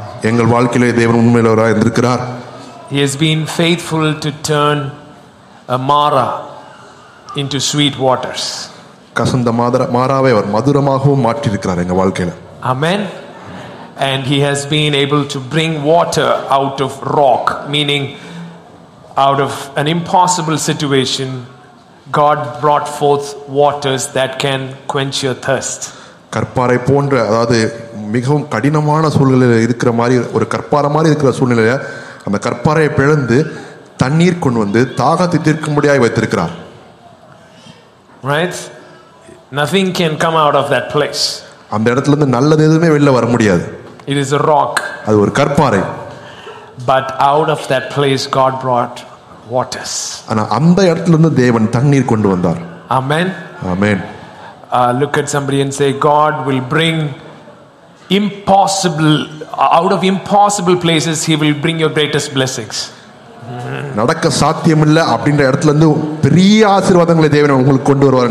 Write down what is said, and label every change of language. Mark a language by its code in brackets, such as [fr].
[ta] எங்கள் வாழ்க்கையிலே தேவன் உண்மையுள்ளவராய் இருந்திருக்கிறார். [en] He has been faithful to turn a Mara into sweet waters. [ta] கசந்த மாராவை அவர் மதுரமாகவும் மாற்றி இருக்கிறார் எங்கள் வாழ்க்கையிலே. [en] Amen. And he has been able to bring water out of rock, meaning out of an impossible situation, God brought forth waters that can quench your thirst. [ta] கற்பாறை போன்ற, அதாவது மிகவும் கடினமான சூழ்நிலையில இருக்கிற மாதிரி, ஒரு கற்பாறை மாதிரி இருக்கிற சூழ்நிலையில அந்த கற்பாறையை பிளந்து தண்ணீர் கொண்டு வந்து தாகத்தை தீர்க்கும்படியாக வைத்திருக்கிறார். [en] Right? Nothing can come out of that place. [ta] அந்த இடத்துல இருந்து நல்லது எதுவுமே வெளில வர முடியாது. [en] It is a rock. [ta] அது ஒரு கற்பாறை. [en] But out of that place God brought waters. [ta] انا அந்த இடத்துல இருந்து தேவன் தண்ணீர் கொண்டு வந்தார். [en] Amen. Amen. Look at somebody and say, God will bring impossible, out of impossible places he will bring your greatest blessings. [ta] நடக்க சாத்தியம் இல்ல அப்படிங்கற இடத்துல இருந்து பெரிய ஆசீர்வாதங்களை தேவன் உங்களுக்கு கொண்டு வருவார்.